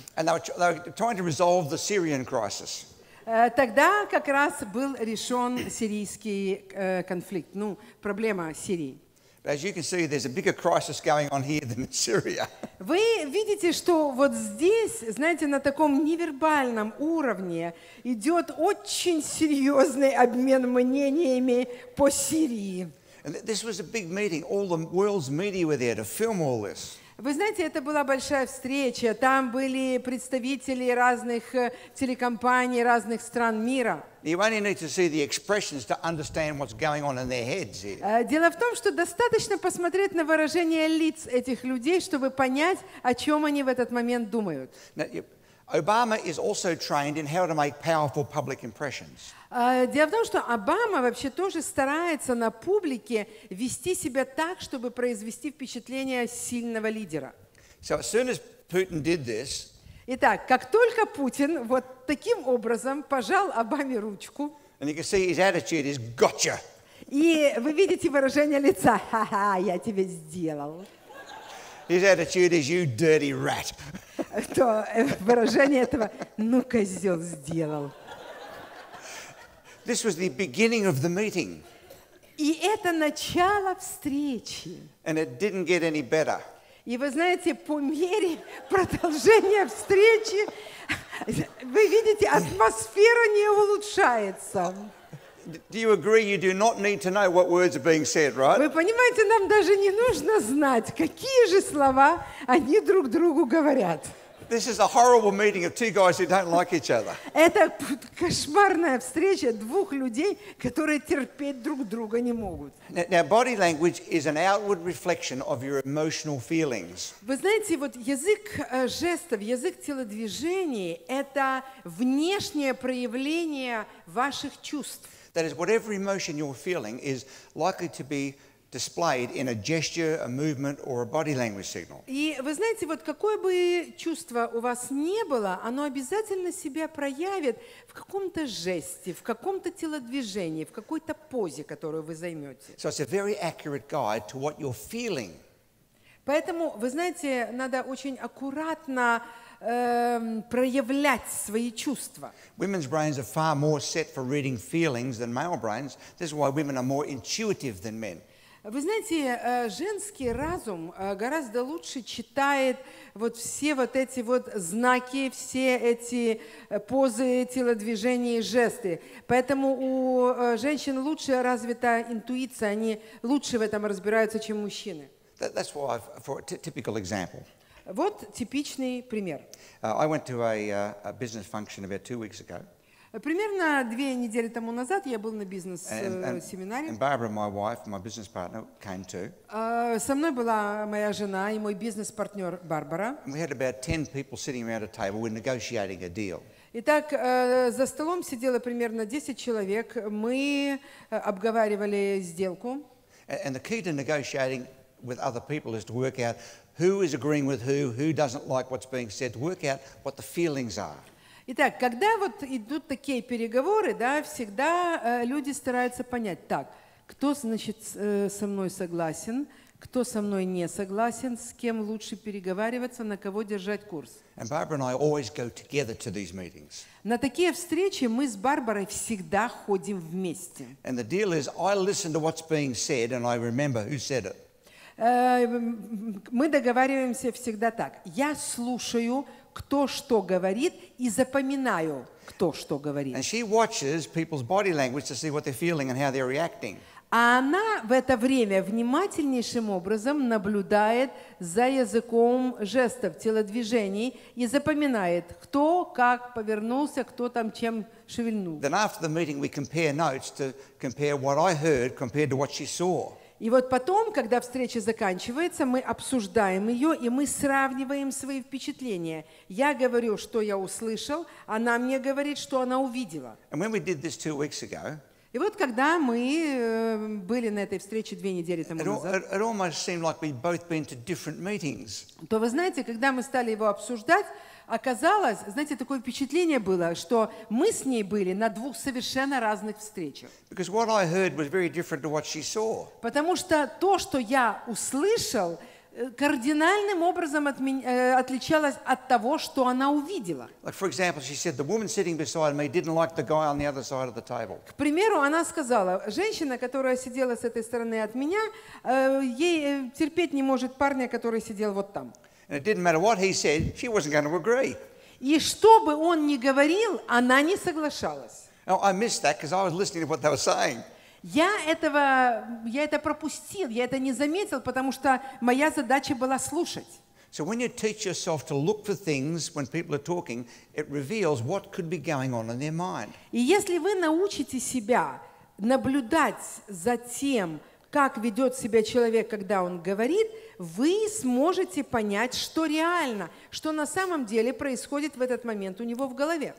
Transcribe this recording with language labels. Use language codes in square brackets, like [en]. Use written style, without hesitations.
[en] And they were trying to resolve the Syrian crisis. [ru] Тогда как раз был решен сирийский конфликт, ну проблема Сирии. [en] But as you can see, there's a bigger crisis going on here than in Syria. [ru] Вы видите, что вот здесь, знаете, на таком невербальном уровне идет очень серьезный обмен мнениями по Сирии. [en] And this was a big meeting. All the world's media were there to film all this. [ru] Вы знаете, это была большая встреча. Там были представители разных телекомпаний, разных стран мира. [en] You only need to see the expressions to understand what's going on in their heads here. [ru] Дело в том, что достаточно посмотреть на выражение лиц этих людей, чтобы понять, о чем они в этот момент думают. [en] Obama is also trained in how to make powerful public impressions. [ru] Дело в том, что Обама вообще тоже старается на публике вести себя так, чтобы произвести впечатление сильного лидера. [en] So as soon as Putin did this, [ru] итак, как только Путин вот таким образом пожал Обаме ручку, [en] and you can see his attitude is gotcha. [ru] И вы видите выражение лица, ха-ха, я тебе сделал. [en] His attitude is you dirty rat. [ru] То выражение этого, ну козел сделал. [en] This was the beginning of the meeting. [ru] И это начало встречи. [en] And it didn't get any better. [ru] И вы знаете, по мере продолжения встречи, вы видите, атмосфера не улучшается. [en] Do you agree you do not need to know what words are being said, right? [ru] Вы понимаете, нам даже не нужно знать, какие же слова они друг другу говорят. [en] This is a horrible meeting of two guys who don't like each other. [ru] Это кошмарная встреча двух людей, которые терпеть друг друга не могут. [en] Now, body language is an outward reflection of your emotional feelings. [ru] Вы знаете, вот язык жестов, язык телодвижений — это внешнее проявление ваших чувств. [en] That is, whatever emotion you're feeling is likely to be displayed in a gesture, a movement, or a body language signal. [ru] И вы знаете, вот какое бы чувство у вас не было, оно обязательно себя проявит в каком-то жесте, в каком-то телодвижении, в какой-то позе, которую вы займете. [en] So it's a very accurate guide to what you're feeling. [ru] Поэтому, вы знаете, надо очень аккуратно проявлять свои чувства. [en] Women's brains are far more set for reading feelings than male brains. This is why women are more intuitive than men. [ru] Вы знаете, женский разум гораздо лучше читает вот все вот эти вот знаки, все эти позы, телодвижения и жесты. Поэтому у женщин лучше развита интуиция, они лучше в этом разбираются, чем мужчины. [en] That's why I've, for a typical example. [ru] Вот типичный пример. [en] I went to a business function about 2 weeks ago. [ru] Примерно 2 недели тому назад я был на бизнес-семинаре. [en] And Barbara, my wife, my business partner, came too. [ru] Со мной была моя жена и мой бизнес-партнер Барбара. [en] We had about 10 people sitting around a table. We're negotiating a deal. [ru] Итак, за столом сидело примерно 10 человек. Мы обговаривали сделку. [en] And the key to negotiating with other people is to work out who is agreeing with who doesn't like what's being said, to work out what the feelings are. [ru] Итак, когда вот идут такие переговоры, да, всегда люди стараются понять, так, кто, значит, со мной согласен, кто со мной не согласен, с кем лучше переговариваться, на кого держать курс. [en] And Barbara and I always go together to these meetings. [ru] На такие встречи мы с Барбарой всегда ходим вместе. [en] And the deal is, I listen to what's being said, and I remember who said it. [ru] Мы договариваемся всегда так. Я слушаю, кто что говорит, и запоминаю, кто что говорит. [en] And she watches people's body language to see what they're feeling and how they're reacting. [ru] А она в это время внимательнейшим образом наблюдает за языком жестов, телодвижений и запоминает, кто как повернулся, кто там чем шевельнул. [en] Then after the meeting we compare notes to compare what I heard compared to what she saw. [ru] И вот потом, когда встреча заканчивается, мы обсуждаем ее, и мы сравниваем свои впечатления. Я говорю, что я услышал, она мне говорит, что она увидела. [en] And when we did this 2 weeks ago, [ru] и вот когда мы были на этой встрече 2 недели тому назад, [en] it almost seemed like we'd both been to different meetings. [ru] То вы знаете, когда мы стали его обсуждать, оказалось, знаете, такое впечатление было, что мы с ней были на 2 совершенно разных встречах. [en] Because what I heard was very different to what she saw. [ru] Потому что то, что я услышал, кардинальным образом отличалось от того, что она увидела. [en] Like, for example, she said the woman sitting beside me didn't like the guy on the other side of the table. [ru] К примеру, она сказала, женщина, которая сидела с этой стороны от меня, ей терпеть не может парня, который сидел вот там. [en] And it didn't matter what he said, she wasn't going to agree. [ru] И что бы он ни говорил, она не соглашалась. [en] Now, I missed that because I was listening to what they were saying. [ru] Я это пропустил, я это не заметил, потому что моя задача была слушать. [en] So when you teach yourself to look for things when people are talking, it reveals what could be going on in their mind. [ru] И если вы научите себя наблюдать за тем, как ведет себя человек, когда он говорит, вы сможете понять, что реально, что на самом деле происходит в этот момент у него в голове.